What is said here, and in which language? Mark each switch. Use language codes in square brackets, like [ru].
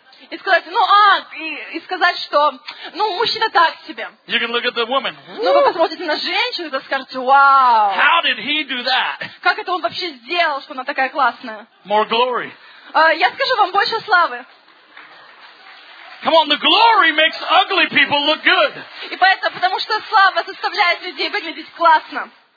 [ru] И сказать, мужчина так себе. [en] You can look at the woman. [ru] Но вы посмотрите на женщину, и скажете, вау. [en] How did he do that? [ru] Как это он вообще сделал, что она такая классная? [en] More glory. [ru] Я скажу вам больше славы. [en] Come on, the glory makes ugly people look good. [ru] И поэтому, потому что слава заставляет людей выглядеть классно.